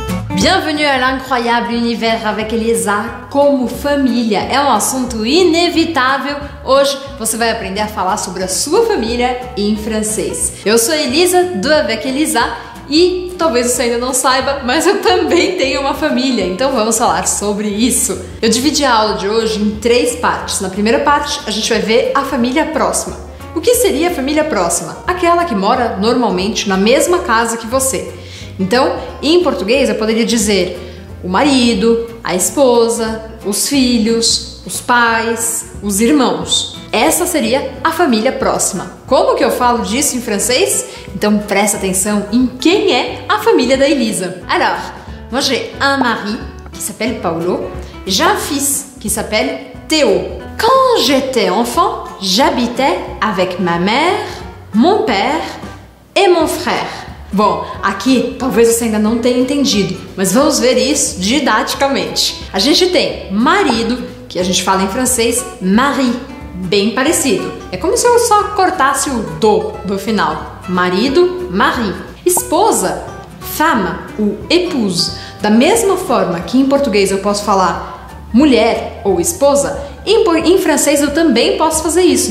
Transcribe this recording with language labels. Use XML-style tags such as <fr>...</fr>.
<fr>Bienvenue à l'incroyable univers avec Elisa</fr> <pt>como família. É um assunto inevitável. Hoje você vai aprender a falar sobre a sua família em francês. Eu sou a Elisa, do Avec Elisa, e talvez você ainda não saiba, mas eu também tenho uma família, então vamos falar sobre isso. Eu dividi a aula de hoje em três partes. Na primeira parte, a gente vai ver a família próxima. O que seria a família próxima? Aquela que mora normalmente na mesma casa que você. Então, em português, eu poderia dizer o marido, a esposa, os filhos, os pais, os irmãos. Essa seria a família próxima. Como que eu falo disso em francês? Então, presta atenção em quem é a família da Elisa.</pt> <fr>Alors, moi j'ai un mari qui s'appelle Paulo, j'ai un fils qui s'appelle Théo. Quand j'étais enfant, j'habitais avec ma mère, mon père et mon frère.</fr> <pt>Bom, aqui talvez você ainda não tenha entendido, mas vamos ver isso didaticamente. A gente tem marido, que a gente fala em francês, mari, bem parecido. É como se eu só cortasse o do final. Marido, mari. Esposa, femme, ou épouse. Da mesma forma que em português eu posso falar mulher ou esposa, em francês eu também posso fazer isso.</pt>